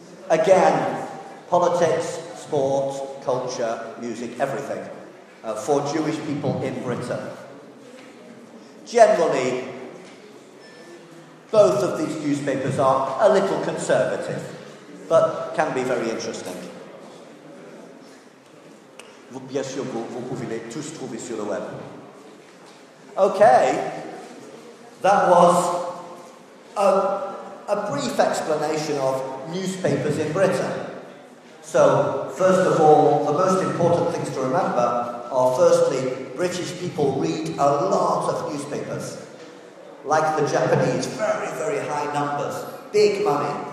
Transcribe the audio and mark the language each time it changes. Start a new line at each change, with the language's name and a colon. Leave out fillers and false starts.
English: Again, politics, sport, culture, music, everything. For Jewish people in Britain. Generally, both of these newspapers are a little conservative, but can be very interesting.
French: Vous, bien sûr, vous pouvez les tous trouver sur le web.
English: Okay, that was a brief explanation of newspapers in Britain. So, first of all, the most important things to remember are firstly, British people read a lot of newspapers, like the Japanese, very, very high numbers, big money.